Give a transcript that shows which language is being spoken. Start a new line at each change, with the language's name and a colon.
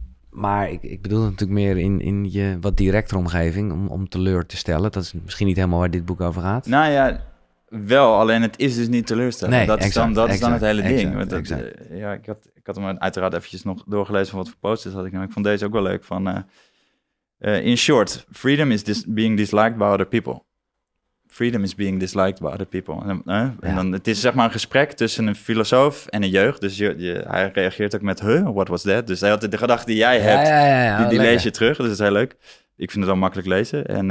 Dutch: Maar ik bedoel natuurlijk meer in je wat directere omgeving om teleur te stellen. Dat is misschien niet helemaal waar dit boek over gaat. Nou ja, wel. Alleen het is dus niet teleurstellend. Nee, is dan het hele ding. Ik had hem uiteraard eventjes nog doorgelezen van wat voor posters had ik. Ik vond deze ook wel leuk.
English: Van, in short, freedom is being disliked by other people. Freedom is being disliked by other people.
Dutch: Het is zeg maar een gesprek tussen een filosoof en een jeugd. Dus hij reageert ook met, what was that? Dus hij had de gedachte die jij hebt, die lees je terug. Dus dat is heel leuk. Ik vind het wel makkelijk lezen.